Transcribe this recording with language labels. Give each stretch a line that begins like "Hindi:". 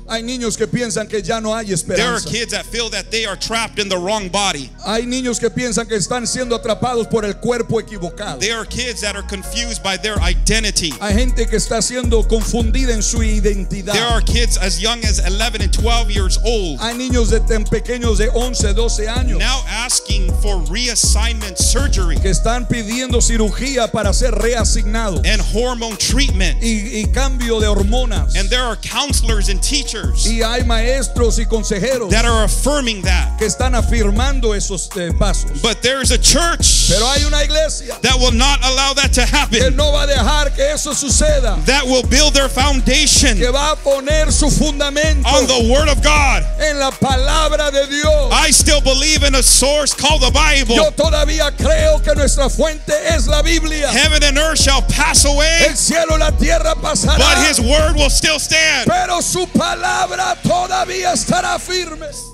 Spanish: Hay niños que piensan que ya no hay esperanza.
English: There are kids that feel that they are trapped in the wrong body.
Spanish: Hay niños que piensan que están siendo atrapados por el cuerpo equivocado.
English: There are kids that are confused by their identity.
Spanish: Hay gente que está siendo confundida en su identidad.
English: There are kids as young as 11 and 12 years old.
Spanish: Hay niños de tan pequeños de 11, 12 años.
English: Now asking for reassignment surgery.
Spanish: Que están pidiendo cirugía para ser reasignados.
English: And hormone treatment.
Spanish: Y cambio de hormonas.
English: And there are counselors and teachers.
Spanish: Y hay maestros y consejeros
English: that are affirming that.
Spanish: Que están afirmando esos pasos.
English: But there is a church,
Spanish: pero hay una iglesia,
English: that will not allow that to happen.
Spanish: Que no va a dejar que eso suceda.
English: That will build their foundation,
Spanish: que va a poner su fundamento,
English: on the word of God.
Spanish: En la palabra de Dios.
English: I still believe in a source called the Bible.
Spanish: Yo todavía creo que nuestra fuente es la Biblia.
English: Heaven and earth shall pass away,
Spanish: el cielo y la tierra pasará,
English: but his word will still stand.
Spanish: Pero su palabra todavía estará firme.